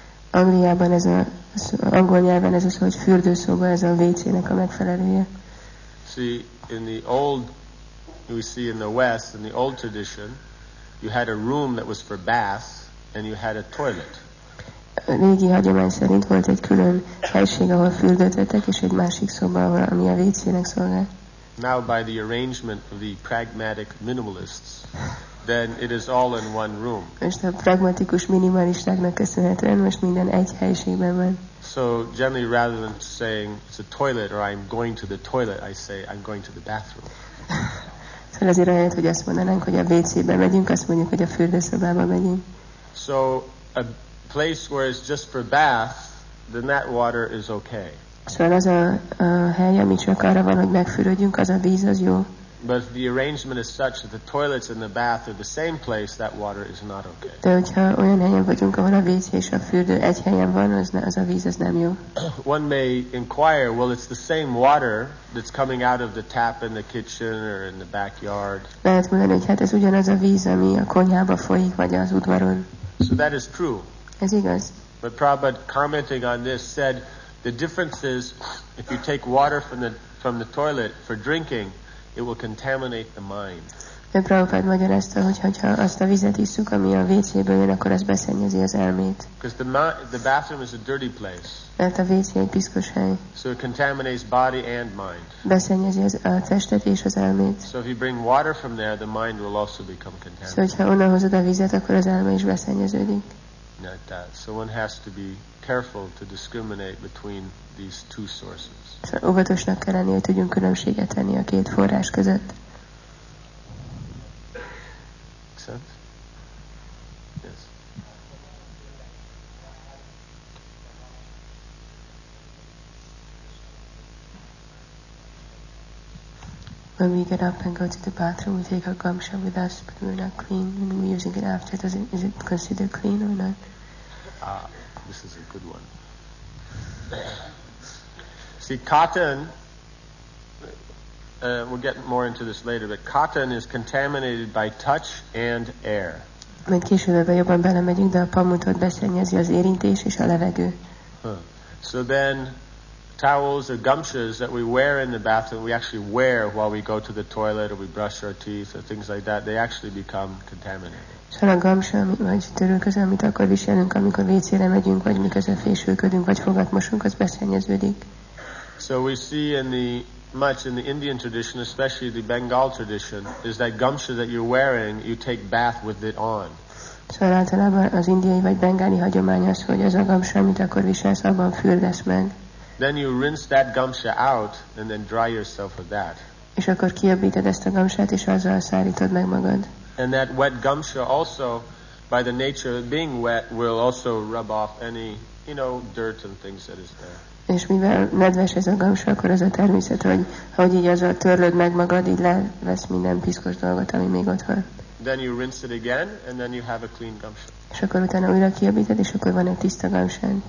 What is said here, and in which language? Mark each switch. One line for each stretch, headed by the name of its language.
Hungarian: Angliában ez a angol nyelven ez az, hogy fürdőszoba, ez a WC-nek a megfelelője.
English: See, in the old, we see in the West, in the old tradition, you had a room that was for bath and you had a toilet.
Hungarian: A régi hagyomány szerint volt egy külön helység, ahol fürdőtettek, és egy másik szoba, ami a WC-nek szolgál.
English: Now by the arrangement of the pragmatic minimalists, then it is all in one room.
Hungarian: Most a pragmatikus minimalistáknak köszönhetően most minden egy helységben van.
English: So generally rather than saying it's a toilet or I'm going to the toilet, I say I'm going to the bathroom.
Hungarian: Szóval azért olyan, hogy azt mondanánk, hogy a WC-be megyünk, azt mondjuk, hogy a fürdőszobába megyünk.
English: So a place where it's just for bath, then that water is okay.
Hungarian: Szóval az a hely, ami csak arra van, hogy megfürödjünk, az a víz, az jó.
English: But the arrangement is such that the toilets and the bath are the same place, that water is not okay.
Hungarian: De hogyha olyan helyen vagyunk, ahol a WC és a fürdő egy helyen van, az a víz, az nem jó.
English: One may inquire, well, it's the same water that's coming out of the tap in the kitchen or in the backyard.
Hungarian: Lehet mondani, hogy hát ez ugyanaz a víz, ami a konyhába folyik, vagy az udvaron.
English: So that is true.
Hungarian: Ez igaz.
English: But Prabhupada commenting on this said, the difference is if you take water from the toilet for drinking, it will contaminate the mind.
Hungarian: De Prabhupada magyarázta, hogyha azt a vizet iszunk, ami a WC-ből jön, akkor az beszennyezi az elmét.
English: Because the bathroom is a dirty place.
Hungarian: Mert a WC egy piszkos hely.
English: So it contaminates body and mind.
Hungarian: Beszennyezi az a testet és az elmét.
English: So if you bring water from there, the mind will also become contaminated.
Hungarian: Szóval, hogyha onnan hozod a vizet, akkor az elme is beszennyeződik.
English: Not that. So one has to be careful to discriminate between these two sources.
Hungarian: Óvatosnak kell lenni, hogy tudjunk különbséget tenni a két forrás között.
English: Yes. When we get up and go to the bathroom, we take our gamsha with us, but we're not clean. When we're using it after, is it considered clean or not? Ah, this is a good one. See, cotton, we'll get more into this later, but cotton is contaminated by touch and air.
Hungarian: Majd később ebben jobban belemegyünk, de a pamutot beszennyezi az érintés és a levegő.
English: So then, towels or gumshoes that we wear in the bathroom, we actually wear while we go to the toilet or we brush our teeth or things like that, they actually become contaminated.
Hungarian: Szóval a gamsa, vagy törölköző, amit akkor viselünk, amikor WC-re megyünk, vagy miközben fésülködünk, vagy fogat mosunk, az beszennyeződik.
English: So we see much in the Indian tradition, especially the Bengal tradition, is that gamsa that you're wearing, you take bath with it on.
Hungarian: Szóval általában az indiai vagy bengáli hagyomány az, hogy az a gamsa, amit akkor viselsz, abban fürdesz meg.
English: Then you rinse that gamsa out, and then dry yourself with that.
Hungarian: És akkor kiabítod ezt a gamsát, és azzal szárítod meg magad.
English: And that wet gumsha also, by the nature of being wet, will also rub off any, you know, dirt and things that is there.
Hungarian: És mivel nedves ez a gumsha, akkor ez a természet, hogy így az a törlöd meg magad, így levesz minden piszkos dolgot, ami még ott van.
English: Then you rinse it again, and then you have a clean gumsha.
Hungarian: És akkor utána újra kiabítod, és akkor van egy tiszta gumsha.